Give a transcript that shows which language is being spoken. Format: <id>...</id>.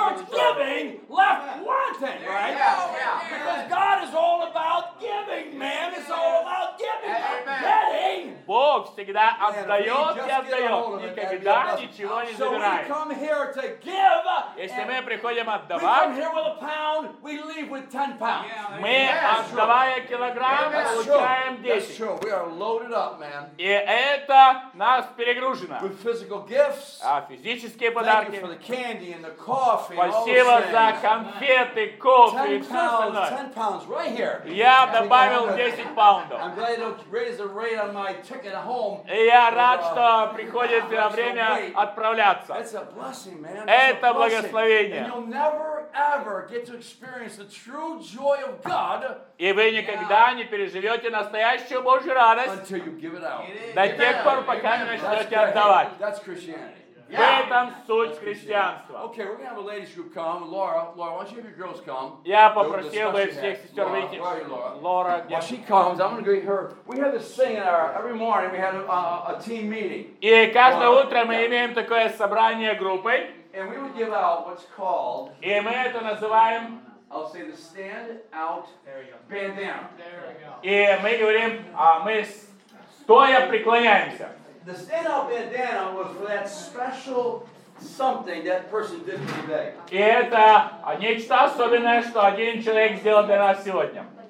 <ru>разочарованы.</ru> <en>Left wanting, right? Because God is all about giving, man. It's all about giving, getting.</en> <ru>Бог всегда отдает и отдает, никогда ничего не забирает.</ru> <en>So we come here to give.</en> <ru>Если мы приходим отдавать,</ru> <en>we come here with a pound, we leave with 10 pounds.</en> <ru>Мы отдавая килограмм, получаем 10.</ru> <en>That's true. We are loaded up, man.</en> <ru>И это нас перегружено.</ru> <en>With physical gifts.</en> <ru>А физические подарки.</ru> <en>Thank you for the candy and the coffee.</en> <ru>Спасибо за конфеты, кофе и все остальное.</ru> <en>10 pounds, right here.</en> <ru>Я добавил 10 паундов.</ru> <en>I'm glad to raise the rate on my ticket home.</en> <ru>И я рад, что приходит время отправляться.</ru> <en>It's a blessing, man.</en> <ru>Это благословение.</ru> <en>And you'll never ever get to experience the true joy of God.</en> <ru>И вы никогда не переживете настоящую Божью радость до тех пор, пока не начнете отдавать.</ru> <en>That's Christianity.</en> <ru>В этом суть христианства.</ru> <en>Okay, we're gonna have a ladies group come. Laura, why don't you have your girls come?</en> <ru>Я попросил бы всех сестер выйти.</ru> <en>Laura, while she comes, I'm gonna greet her. We have this thing in our every morning. We have a team meeting.</en> <ru>И каждое утро мы имеем такое собрание группой.</ru> <en>And we would give out what's called.</en> <ru>И мы это называем.</ru> <en>I'll say the stand out bandana. There we go.</en> <ru>И мы говорим, мы стоя преклоняемся.</ru> <en>The stand out bandana was for that special something that person did today.</en> <ru>И это нечто особенное, что один человек сделал для нас сегодня.</ru>